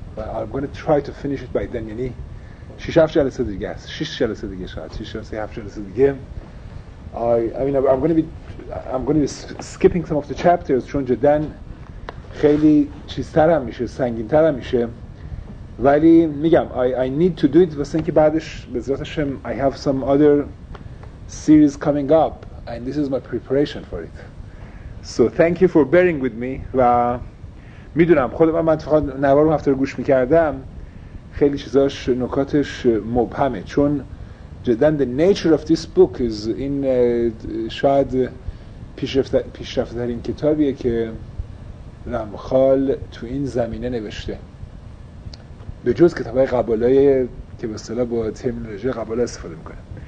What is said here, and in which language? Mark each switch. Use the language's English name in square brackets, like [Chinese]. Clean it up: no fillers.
[English] I'm going to try to finish it by then. [Persian] یعنی 6-7 جلسه دیگه است. 6 جلسه دیگه شاید. 6-7 جلسه دیگه. [English] I'm going to be skipping some of the chapters. [Persian] چون جدن خیلی چیزتر هم میشه. سنگین تر هم میشه. ولی میگم [English] I need to do it [Persian] واسه اینکه بعدش به عزتشن [English] I have some other series coming up and this is my preparation for it. So thank you for bearing with me. [Persian] و میدونم خود من اتفاقا نوار رو هفته رو گوش میکردم خیلی چیزاش نکاتش مبهمه، چون جدن [English] the nature of this book is [Persian] این شاید پیشرفته ترین کتابیه که رمخال تو این زمینه نوشته، به جز کتابای قبالای که به اصطلاح با ترمینولوژی قبالا استفاده میکنه.